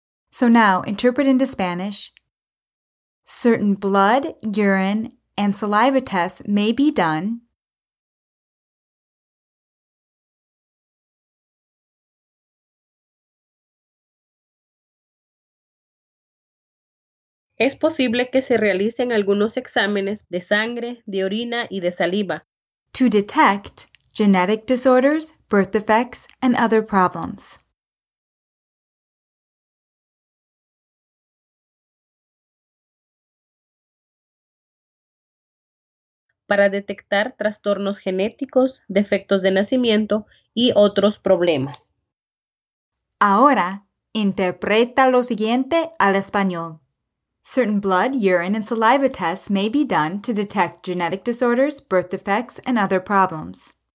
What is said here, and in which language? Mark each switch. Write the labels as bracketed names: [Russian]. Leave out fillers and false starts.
[English] So now interpret into Spanish. Certain blood, urine, and saliva tests may be done. [Spanish] Es posible que se realicen algunos exámenes de sangre, de orina y de saliva. [English] To detect genetic disorders, birth defects, and other problems. [Spanish] Para detectar trastornos genéticos, defectos de nacimiento y otros problemas. Ahora, interpreta lo siguiente al español. [English] Certain blood, urine, and saliva tests may be done to detect genetic disorders, birth defects, and other problems.